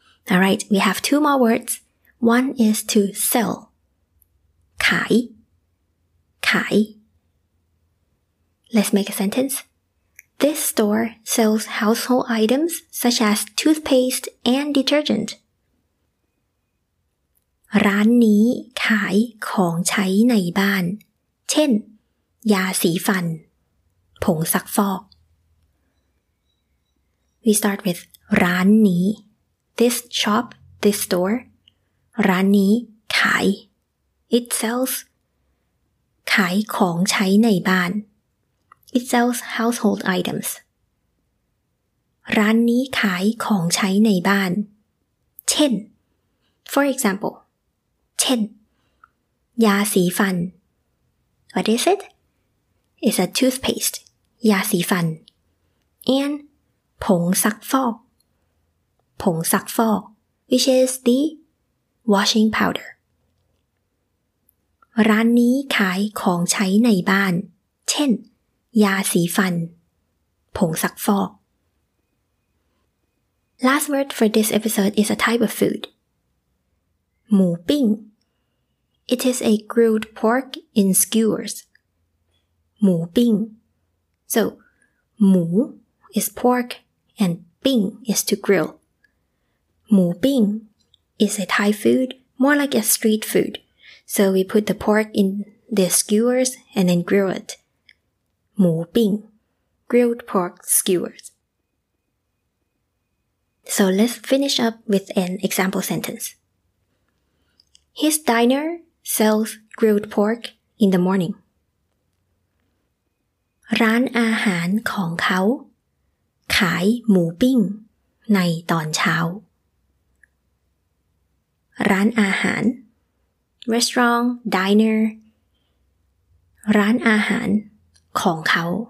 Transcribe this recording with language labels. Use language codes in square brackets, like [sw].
[en] All right, we have two more words. One is to sell. [th] ขายขาย [en] Let's make a sentence. This store sells household items such as toothpaste and detergent. [th] ร้านนี้ขายของใช้ในบ้านเช่นยาสีฟันผงซักฟอก [en] We start with [th] ร้านนี้ [en] This shop, this store. [th] ร้านนี้ขาย [en] It sells [th] ขายของใช้ในบ้าน [en] It sells household items. [th] ร้านนี้ขายของใช้ในบ้านเช่น [en] For example. [th] เช่นยาสีฟัน [en] What is it? It's a toothpaste. [th] ยาสีฟัน [en] And [th] ผงซักฟอกผงซักฟอก [en] Which is the washing powder. [th] ร้านนี้ขายของใช้ในบ้านเช่นยาสีฟันผงซักฟอก [en] Last word for this episode is a type of food. [th] หมูปิ้ง [en] It is a grilled pork in skewers. [th] หมูปิ้ง [en] So, หมู is pork and ping is to grill. หมูปิ้ง is a Thai food, more like a street food. So we put the pork in the skewers and then grill it. [th] หมูปิ้ง [en] Grilled pork skewers. So let's finish up with an example sentence. His diner sells grilled pork in the morning. [th] ร้านอาหารของเขาขายหมูปิ้งในตอนเช้าร้านอาหาร [en] Restaurant, diner. [th] ร้านอาหารของเขา